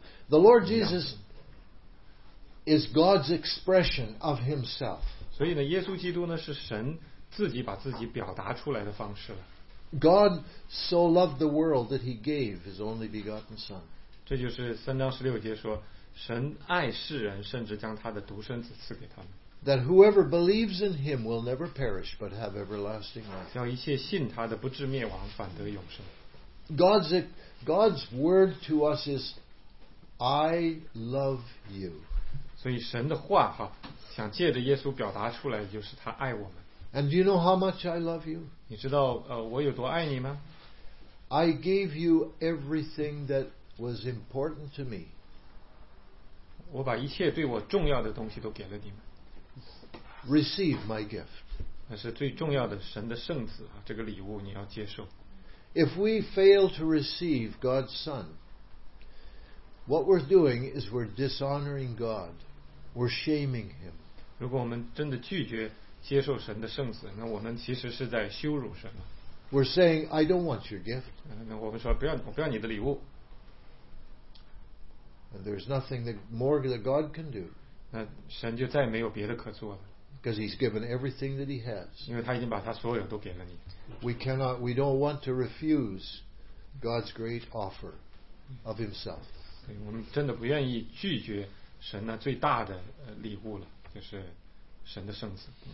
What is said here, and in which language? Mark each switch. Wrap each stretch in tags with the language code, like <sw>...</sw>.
<en>The Lord Jesus is God's expression of himself.</en> <zh>所以呢，耶稣基督呢，是神自己把自己表达出来的方式了。</zh> <en>God so loved the world that he gave his only begotten son.</en> <zh>这就是三章十六节说，神爱世人，甚至将他的独生子赐给他们。</zh> <en>That whoever believes in him will never perish, but have everlasting life.</en> <zh>叫一切信他的不至灭亡，反得永生。</zh> <en>God's word to us is, I love you.</en> <zh>所以神的话哈，想借着耶稣表达出来，就是他爱我们。</zh> <en>And do you know how much I love you?</en> <zh>你知道我有多爱你吗？</zh> <en>I gave you everything that was important to me.</en> <zh>我把一切对我重要的东西都给了你们。</zh> <en>Receive my gift.</en> <zh>那是最重要的神的圣子啊，这个礼物你要接受。</zh> <en>If we fail to receive God's Son, what we're doing is we're dishonoring God. We're shaming him.</en> <zh>如果我们真的拒绝接受神的圣子，那我们其实是在羞辱神。</zh> <en>We're saying I don't want your gift.</en> <zh>那我们说不要，我不要你的礼物。</zh> <en>There's nothing that more that God can do.</en> <zh>那神就再也没有别的可做了。</zh> <en>Because He's given everything that He has.</en> <zh>因为他已经把他所有都给了你。</zh> <en>We don't want to refuse God's great offer of Himself.</en> <zh>对，我们真的不愿意拒绝神那最大的礼物了，就是神的圣子。</zh>